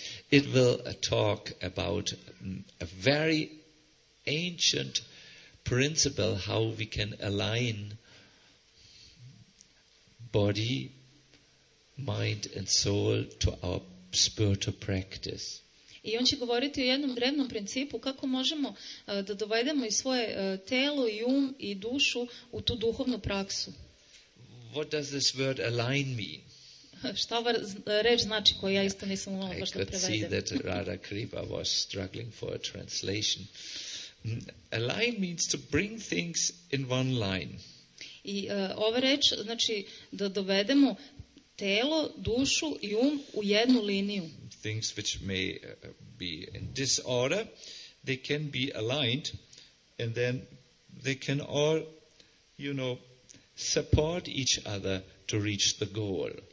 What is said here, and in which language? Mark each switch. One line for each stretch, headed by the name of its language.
English: It will talk about a very ancient principle how we can align body, mind and soul to our spiritual practice.
Serbian: I on će govoriti o jednom drevnom principu kako možemo da dovedemo i svoje telo i um i dušu u tu duhovnu praksu.
English: What does this word align mean?
Serbian: Šta ova reč znači, koju ja isto nisam mogla baš da prevedem.
English: I could see that Radha Kripa was struggling for a translation. A line means to bring things in one line.
Serbian: I ova reč znači da dovedemo telo, dušu i um u jednu liniju.
English: Things which may be in disorder, they can be aligned and then they can all, you know, support each other to reach the goal.